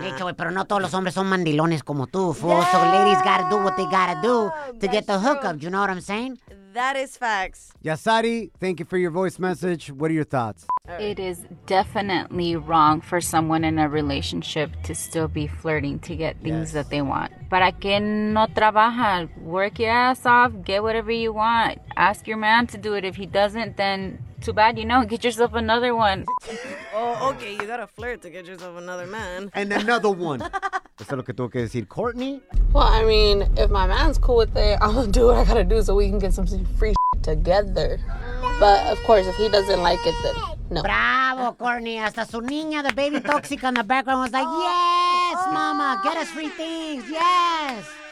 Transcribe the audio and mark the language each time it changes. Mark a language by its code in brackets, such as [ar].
[es] Hey, pero no todos los hombres son mandilones como tú. [en] Yeah. So ladies gotta do what they gotta do to That's get the hookup. True. You know what I'm saying? That is facts. Yasari, thank you for your voice message. What are your thoughts? Right. It is definitely wrong for someone in a relationship to still be flirting to get things that they want. [es] Para que no trabaja, [en] work your ass off, get whatever you want. Ask your man to do it. If he doesn't, then too bad, you know, get yourself another one. Oh, okay, you gotta flirt to get yourself another man. And another one. [es] Eso es lo que tengo que decir, Courtney. [en] Well, I mean, if my man's cool with it, I'm gonna do what I gotta do so we can get some free shit together. But of course, if he doesn't like it, then no. Bravo, Courtney. [es] Hasta su niña, [en] the baby toxic in the background, was like, yes, mama, get us free things, yes.